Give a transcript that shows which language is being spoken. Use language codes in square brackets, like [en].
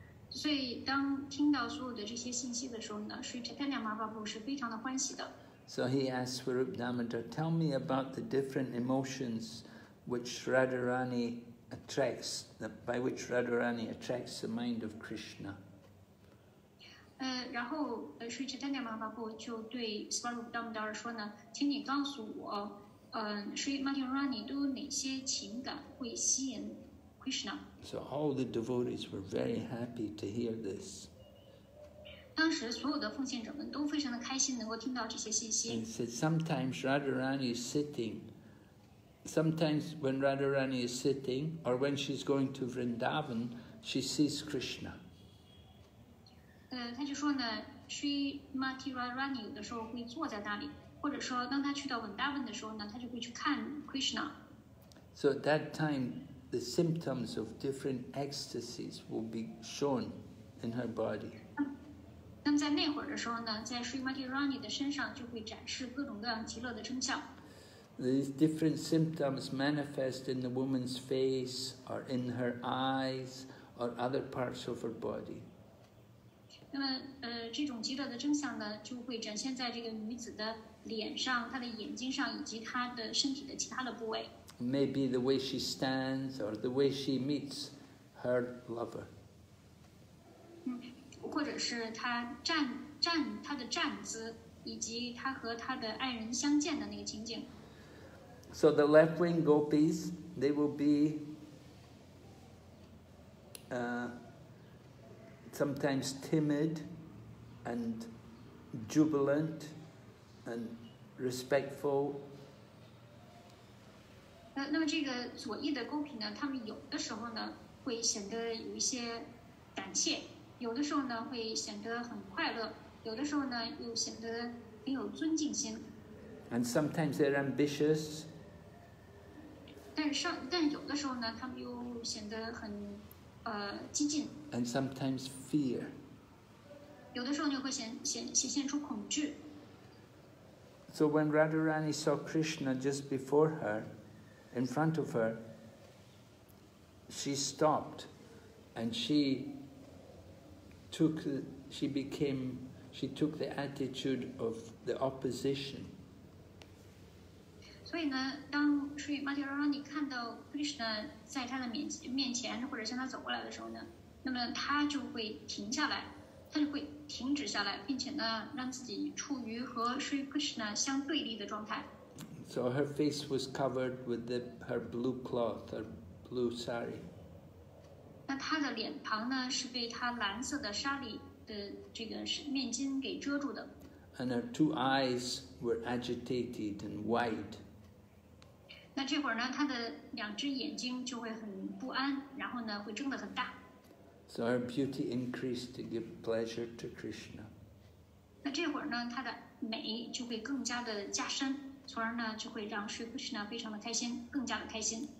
[zh] 所以当听到所有的这些信息的时候呢，所以这单单嘛，巴布是非常的欢喜的。 [en] So he asked Swarup Damodar, tell me about the different emotions which Radharani attracts, by which Radharani attracts the mind of Krishna. [zh] 然后 Sri Chaitanya Mahaprabhu 就对 Swarup Damodar 说呢，请你告诉我，Sri Mati Radharani 都有哪些情感会吸引 Krishna. [en] So all the devotees were very happy to hear this. [zh] 当时所有的奉献者们都非常的开心能够听到这些信息。 [en] And said, sometimes Radharani is sitting. Sometimes when Radharani is sitting, or when she's going to Vrindavan, she sees Krishna. [zh] 他就说呢 ，Sri Mati Radharani 有的时候会坐在那里，或者说当他去到 Vrindavan 的时候呢，他就会去看 Krishna。 [en] So at that time, the symptoms of different ecstasies will be shown in her body. [zh] 那么在那会儿的时候呢，在 Sri Mati Radharani 的身上就会展示各种各样极乐的征象。 [en] These different symptoms manifest in the woman's face, or in her eyes, or other parts of her body. [zh] 那么，这种极乐的征象呢，就会展现在这个女子的脸上、她的眼睛上，以及她的身体的其他的部位。 [en] Maybe the way she stands, or the way she meets her lover. [zh] 或者是她站她的站姿，以及她和她的爱人相见的那个情景。 [en] So the left-wing gopis, they will be sometimes timid and jubilant and respectful. [zh] 那么这个左翼的勾评呢，他们有的时候呢会显得有一些胆怯，有的时候呢会显得很快乐，有的时候呢又显得很有尊敬心。 [en] And sometimes they're ambitious. [zh] 但有的时候呢，他们又显得很，激进。 [en] And sometimes fear. [zh] 有的时候就会显现出恐惧。 [en] So when Radharani saw Krishna just before her, in front of her, she stopped, and she took the attitude of the opposition. [zh] 所以呢，当 Sri Mati Radharani 看到 Krishna 在他的面前或者向他走过来的时候呢，那么他就会停下来，他就会停止下来，并且呢，让自己处于和 Sri Krishna 相对立的状态。 [en] So her face was covered with her blue cloth, her blue sari. [zh] 那她的脸庞呢，是被她蓝色的纱丽的这个面巾给遮住的。 [en] And her two eyes were agitated and wide. [zh] 那这会儿呢，他的两只眼睛就会很不安，然后呢，会睁得很大。 [en] So her beauty increased to give pleasure to Krishna. [zh] 那这会儿呢，他的美就会更加的加深，从而呢，就会让 Sri Krishna 非常的开心，更加的开心。